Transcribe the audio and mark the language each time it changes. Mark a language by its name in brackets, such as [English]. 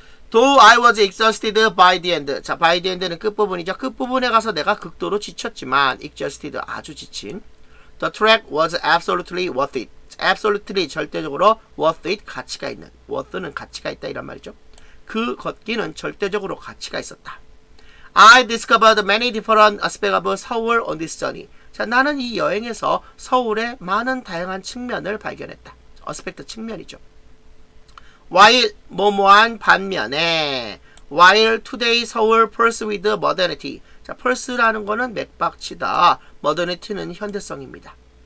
[English] Though I was exhausted by the end. [Korean] 자, by the end는 끝부분이죠. 끝부분에 가서 내가 극도로 지쳤지만, exhausted 아주 지친. [English] The trek was absolutely worth it. Absolutely 절대적으로 worth it 가치가 있는. [Korean] worth는 가치가 있다 이런 말이죠. 그 걷기는 절대적으로 가치가 있었다. [English] I discovered many different aspects of Seoul on this journey. [Korean] 자, 나는 이 여행에서 서울의 많은 다양한 측면을 발견했다. 어스펙트 측면이죠. [English] While [Korean] 모모한 반면에 [English] While today Seoul pulse with modernity. [Korean] 자, pulse라는 거는 맥박치다. modernity는 현대성입니다.